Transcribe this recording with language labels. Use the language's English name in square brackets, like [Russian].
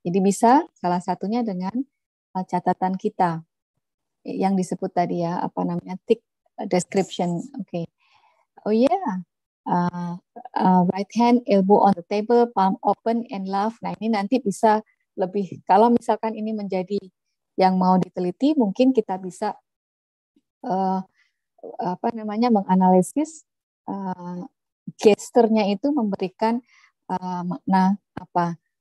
[Indonesian] Jadi bisa salah satunya dengan catatan kita yang disebut tadi ya, tick description. [English] Oke. Okay. Oh yeah. Right hand elbow on the table, palm open and laugh. [Indonesian] Nah, ini nanti bisa lebih, kalau misalkan ini menjadi yang mau diteliti, mungkin kita bisa menganalisis gesturnya itu memberikan makna apa.